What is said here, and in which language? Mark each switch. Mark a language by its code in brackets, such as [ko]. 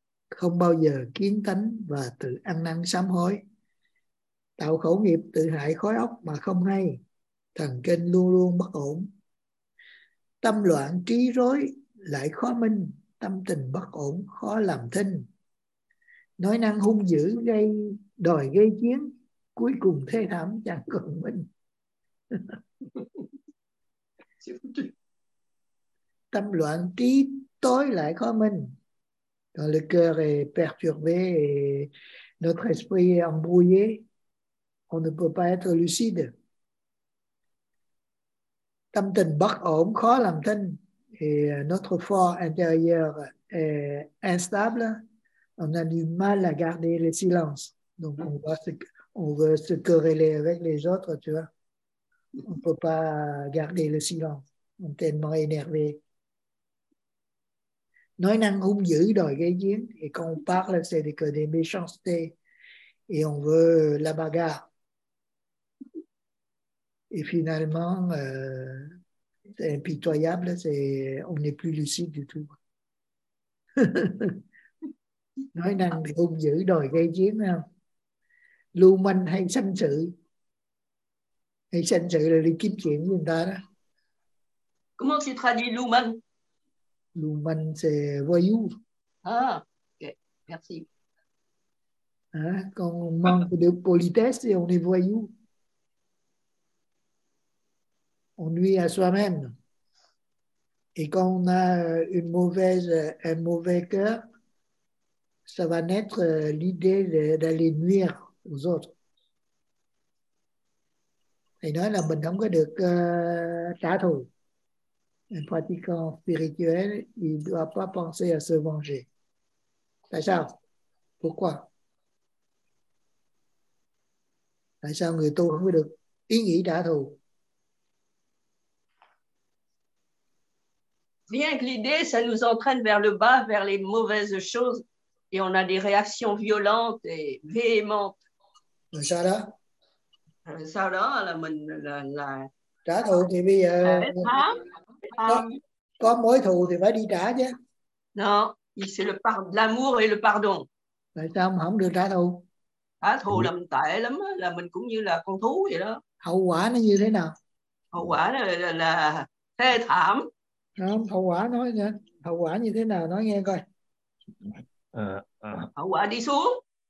[vi] không bao giờ kiến tánh và tự ăn năn sám hối, tạo khẩu nghiệp tự hại khói óc mà không hay, thần kinh luôn luôn bất ổn, tâm loạn trí rối lại khó minh, tâm tình bất ổn khó làm thinh, nói năng hung dữ gây đòi gây chiến, cuối cùng thê thảm chẳng còn minh. Tâm loạn trí tối lại khó minh. [fr] Dans le cœur est perturbé et notre esprit est embrouillé, on ne peut pas être lucide. [vi] Tâm tình bất ổn khó làm thinh. [fr] Et notre fort intérieur est instable, on a du mal à garder le silence. Donc on veut se quereller avec les autres, tu vois. On ne peut pas garder le silence, on est tellement énervé. [vi] Nói năng hung dữ đòi gây chiến, [fr] et quand on parle c'est que des méchancetés, et on veut la bagarre, et finalement c'est impitoyable, c'est on n'est plus lucide du tout. [vi] Nói năng hung dữ đòi gây chiến, lưu manh hay sanh sự, hay sanh sự là đi kiếm chuyện người ta đó. [fr] Comment tu traduis lưu manh? Lưu manh c'est voyou. Ah, ok, merci. Quand on manque de politesse, on est voyou. On nuit à soi-même. Et quand on a une mauvaise, un mauvais cœur, ça va naître l'idée d'aller nuire aux autres. [vi] Il nói là mình không có được trả thù. [fr] Un pratiquant spirituel, il ne doit pas penser à se venger. [vi] Tại sao? [fr] Pourquoi? [vi] Tại sao người tu không được ý nghĩ trả thù? [fr] Rien que l'idée, ça nous entraîne vers le bas, vers les mauvaises choses, et on a des réactions violentes et véhémentes. Mais ça là? Ça là, là, là, là... [vi] Trả thù thì bây giờ... Có mối thù thì phải đi trả chứ. [fr] Non, c'est le pardon, l'amour et le pardon. [vi] Tại sao mà không được trả thù? Trả thù là mình tệ lắm, là mình cũng như là con thú vậy đó. Hậu quả nó như thế nào? Hậu quả là thê thảm. Không, hậu quả nói nha. Hậu quả như thế nào nói nghe coi. Hậu quả đi xuống.